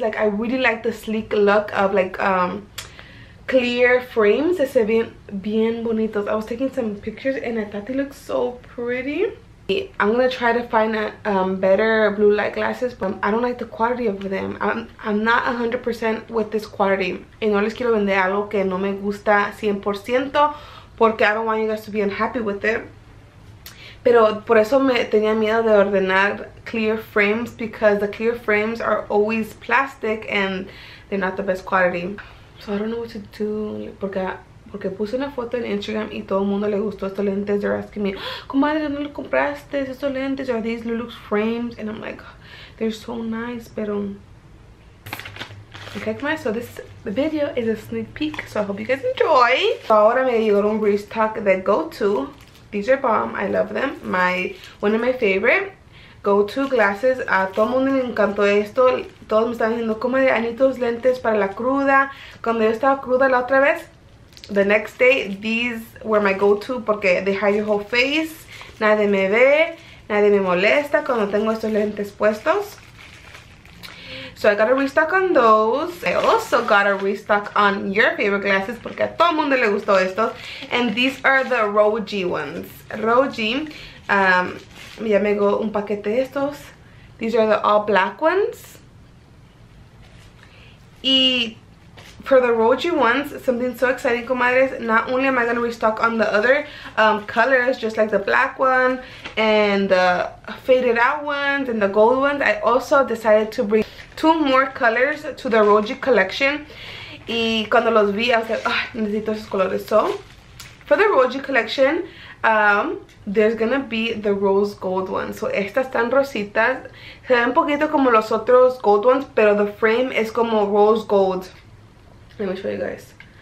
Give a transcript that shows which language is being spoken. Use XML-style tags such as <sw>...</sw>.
<en>Like, I really like the sleek look of like clear frames.</en> <es>Se ven bien bonitos.</es> <en>I was taking some pictures and I thought they look so pretty. I'm gonna try to find a better blue light glasses, but I don't like the quality of them. I'm not 100% with this quality.</en> <es>Y no les quiero vender algo que no me gusta 100%. Porque</es> <en>I don't want you guys to be unhappy with it.</en> <es>Pero por eso me tenía miedo de ordenar</es> <en>clear frames, because the clear frames are always plastic and they're not the best quality. So I don't know what to do.</en> <es>Porque puse una foto en Instagram y todo el mundo le gustó estos lentes.</es> <en>They're asking me, comadre,</en> <es>¿no lo compraste? ¿Estos lentes?</es> <en>¿Are these Lulux frames? And I'm like, they're so nice,</en> <es>pero...</es> <en>Okay, guys, so this video is a sneak peek, so I hope you guys enjoy.</en> <es>So ahora me llegó un restock de GoTo.</es> <en>These are bomb. I love them. One of my favorite GoTo glasses.</en> <es>A todo mundo le encantó esto. Todos me están diciendo, como de anitos lentes para la cruda. Cuando yo estaba cruda la otra vez,</es> <en>the next day, these were my go-to</en> <es>porque</es> <en>they hide your whole face.</en> <es>Nadie me ve, nadie me molesta cuando tengo estos lentes puestos.</es> <en>So I got a restock on those. I also got a restock on your favorite glasses</en> <es>porque a todo mundo le gustó esto.</es> <en>And these are the Roji ones. Roji.</en> <es>Ya me hago un paquete de estos.</es> <en>These are the all black ones. Y for the Roji ones, something so exciting, comadres. Not only am I going to restock on the other colors, just like the black one and the faded out ones and the gold ones, I also decided to bring two more colors to the Roji collection.</en> <es>Y cuando los vi,</es> <en>I was like, ah,</en> <es>necesito esos colores.</es> <en>So, for the Roji collection, there's gonna be the rose gold one. So</en> <es>estas están rositas, se ven un poquito como los otros</es> <en>gold ones,</en> <es>pero</es> <en>the frame</en> <es>es como</es> <en>rose gold. Let me show you guys.</en>